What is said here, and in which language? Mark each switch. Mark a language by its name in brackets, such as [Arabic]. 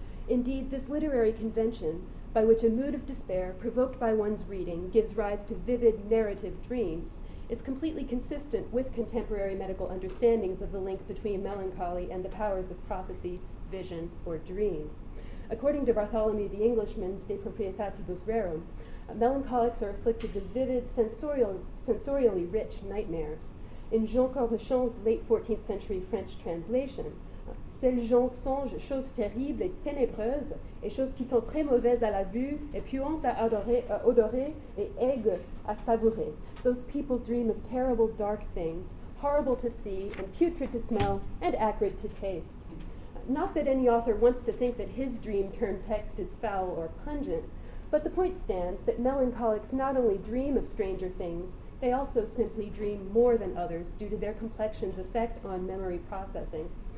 [English] Indeed, this literary convention, by which a mood of despair provoked by one's reading gives rise to vivid narrative dreams, is completely consistent with contemporary medical understandings of the link between melancholy and the powers of prophecy, vision, or dream. According to Bartholomew the Englishman's De Proprietatibus Rerum, melancholics are afflicted with vivid, sensorially rich nightmares. In Jean Corbuchon's late 14th century French translation, [French] ces gens songent choses terribles et ténébreuses, et choses qui sont très mauvaises à la vue, et puantes à odorer, et aigres à savourer. [English] Those people dream of terrible dark things, horrible to see, and putrid to smell, and acrid to taste. Not that any author wants to think that his dream-turned text is foul or pungent, but the point stands that melancholics not only dream of stranger things, they also simply dream more than others due to their complexion's effect on memory processing.